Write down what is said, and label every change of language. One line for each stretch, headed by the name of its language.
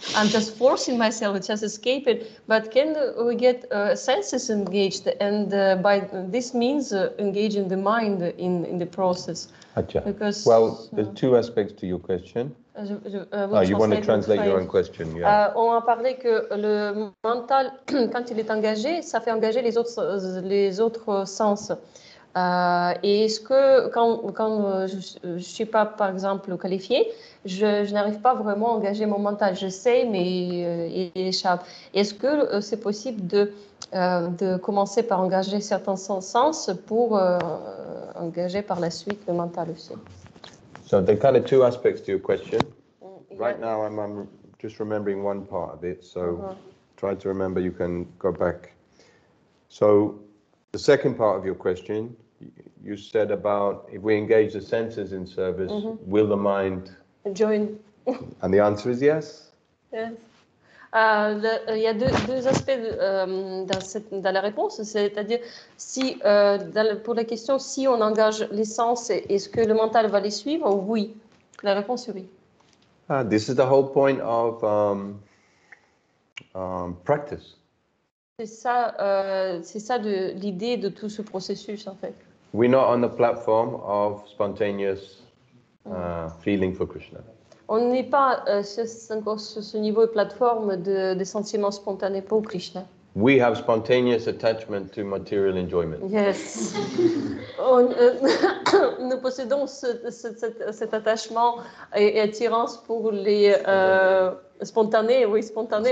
English: I'm just forcing myself, it's just escaping. But can we get senses engaged and by this means engaging the mind in the process?
Hindi: Acha.
English: Because, well, there's two aspects to your question. You want to translate your own question, yeah.
French: On a parlé que le mental, quand il est engagé, ça fait engager les autres sens. Et est-ce que quand je ne suis pas, par exemple, qualifiée, je n'arrive pas vraiment à engager mon mental. Je sais, mais il échappe. Est-ce que c'est possible de commencer par engager certains sens pour engager par la suite le mental aussi?
English: So there are kind of two aspects to your question. Yeah. Right now, I'm just remembering one part of it. So try to remember, you can go back. So the second part of your question, you said about if we engage the senses in service, will the mind join? And the answer is yes.
French: Il y a deux aspects dans la réponse, c'est-à-dire si pour la question si on engage les sens, est-ce que le mental va les suivre? Oui, la réponse est oui.
English: This is the whole point of practice.
French: C'est ça de l'idée de tout ce processus en fait.
English: We're not on the platform of spontaneous feeling for Krishna.
French: On n'est pas sur ce niveau de plateforme de sentiments spontanés pour Krishna.
English: We have spontaneous attachment to material enjoyment. Yes.
French: nous possédons cet attachement et attirance pour les spontanés, oui, spontanés.